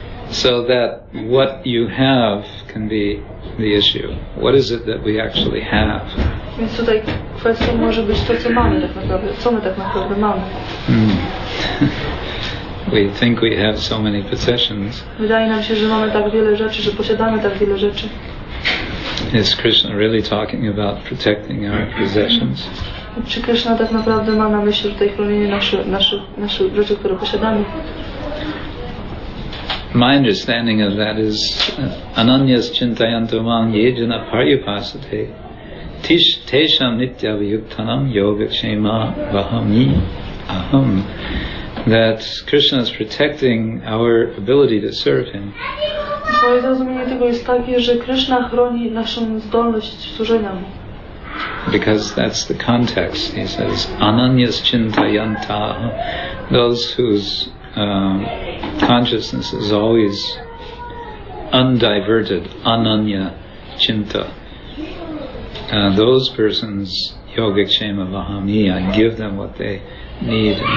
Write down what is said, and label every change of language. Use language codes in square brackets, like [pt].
[en] So that what you have can be the issue. What is it that we actually have? [pl] Więc tutaj kwestią może być to, co mamy tak naprawdę. Co my tak naprawdę mamy? [en] We think we have so many possessions. [pl] Wydaje nam się, że mamy tak wiele rzeczy, że posiadamy tak wiele rzeczy. [en] Is Krishna really talking about protecting our possessions? [pl] Czy Krishna tak naprawdę ma na myśli tutaj chronienie naszych rzeczy, które posiadamy? [en] My understanding of that is [sa] ananyas chintayanto mang yejana paryupasate tish tesham nitya vyuktanam yoga kshema vahami aham, [en] that Krishna is protecting our ability to serve him. [pl] Moje zrozumienie tego jest takie, że Krishna chroni naszą zdolność służenia mu. [en] Because that's the context, he says ananyas chintayanta, those whose consciousness is always undiverted, ananya chinta. Those persons, [sa] yoga kshema vahami, [en] I give them what they need.